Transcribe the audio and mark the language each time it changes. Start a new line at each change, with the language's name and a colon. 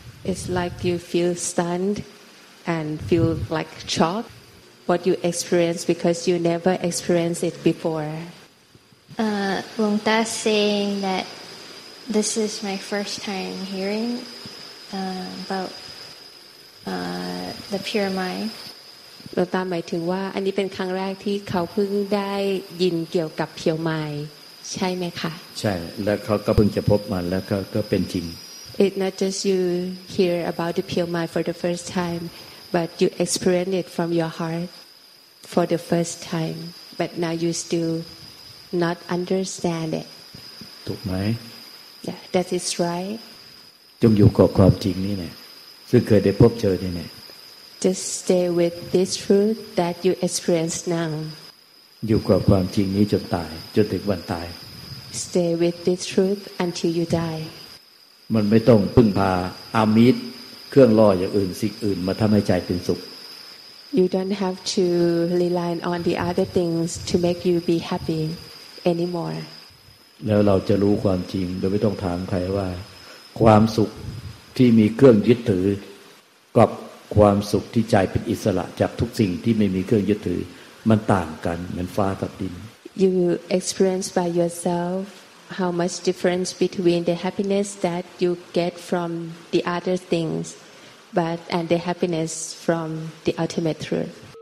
English: It's like you feel stunned and feel like shocked what you experience because you never experienced it before. Long Ta saying that this is my first time hearing about the pure mind.
Thai: Long Ta หมายถึงว่าอันนี้เป็นครั้งแรกที่เขาเพิ่งได้ยินเกี่ยวกับ pure mind ใช่ไหมคะ ใช่แล้วเขาก็เพิ่งจะพบมันแล้วก็เป็นจริง
English: It's not just you hear about the pure mind for the first time, but you experience it from your heart for the first time. But now you still. Not understand it.
Thai: ถูกไหม
English: That is right.
Thai: จงอยู่กับความจริงนี่แน่ซึ่งเคยได้พบเจอนี่แน่
English: Just stay with this truth that you experience now.
Thai: อยู่กับความจริงนี้จนตายจนถึงวันตาย
English: Stay with this truth until you die.
Thai: มันไม่ต้องพึ่งพาอามิตรเครื่องล่ออย่างอื่นสิ่งอื่นมาทำให้ใจเป็นสุข
English: You don't have to rely on the other things to make you be happyAnymore.
Thai: แล้วเราจะรู้ความจริงโดยไม่ต้องถามใครว่าความสุขที่มีเครื่องยึดถือกับความสุขที่ใจเป็นอิสระจากทุกสิ่งที่ไม่มีเครื่องยึดถือมันต่างกันเหมือนฟ้ากับดิน
English: You experience by yourself how much difference between the happiness that you get from the other things, but and the happiness from the ultimate truth.